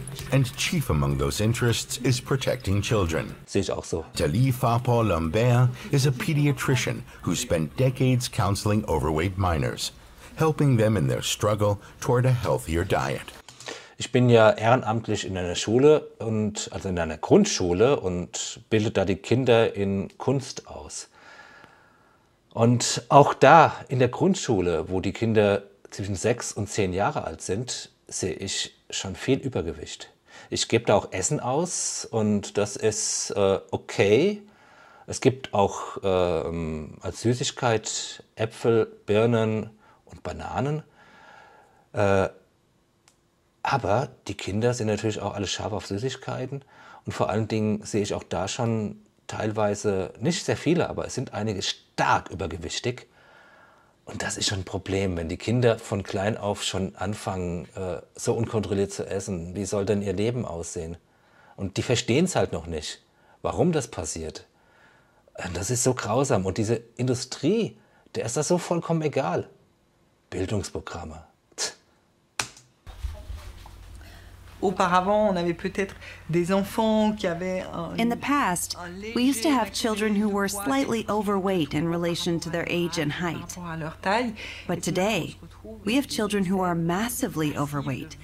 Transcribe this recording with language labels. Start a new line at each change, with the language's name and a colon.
English: And chief among those interests is protecting children.
German: Sehe ich auch so.
English: Talie Fapo-Lambert is a pediatrician who spent decades counseling overweight minors. Helping them in their struggle toward a healthier diet.
German: Ich bin ja ehrenamtlich in einer Schule und also in einer Grundschule und bilde da die Kinder in Kunst aus. Und auch da in der Grundschule, wo die Kinder zwischen 6 und 10 Jahre alt sind, sehe ich schon viel Übergewicht. Ich gebe da auch Essen aus und das ist okay. Es gibt auch als Süßigkeit Äpfel, Birnen. Und Bananen. Aber die Kinder sind natürlich auch alle scharf auf Süßigkeiten. Und vor allen Dingen sehe ich auch da schon teilweise, nicht sehr viele, aber es sind einige stark übergewichtig. Und das ist schon ein Problem, wenn die Kinder von klein auf schon anfangen, so unkontrolliert zu essen. Wie soll denn ihr Leben aussehen? Und die verstehen es halt noch nicht, warum das passiert. Das ist so grausam. Und diese Industrie, der ist das so vollkommen egal. Bildungsprogramme.
English: In the past, we used to have children who were slightly overweight in relation to their age and height. But today, we have children who are massively overweight.